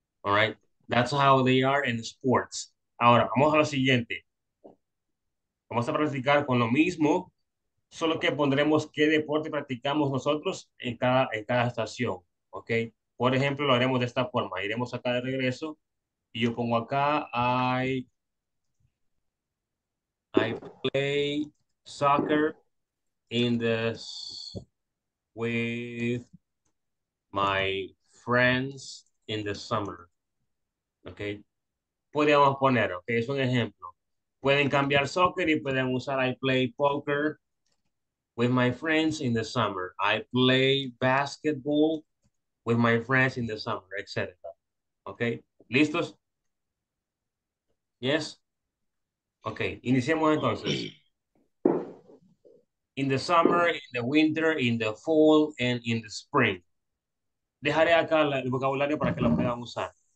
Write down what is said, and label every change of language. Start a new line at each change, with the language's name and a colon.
English: All right, that's how they are in sports.
Spanish: Ahora, vamos a lo siguiente. Vamos a practicar con lo mismo, solo que pondremos qué deporte practicamos nosotros en cada estación. Okay, por ejemplo, lo haremos de esta forma. Iremos acá de regreso y yo pongo acá,
English: I play soccer in the with my friends in the summer.
Spanish: Okay. Podríamos poner, okay, es un ejemplo. Pueden cambiar soccer y pueden usar
English: I play poker with my friends in the summer. I play basketball with my friends in the summer, etc.
Spanish: Okay. ¿Listos? Yes. Okay. Iniciemos entonces.
English: In the summer, in the winter, in the fall, and in the spring.
Spanish: Dejaré acá el vocabulario para que lo puedan usar.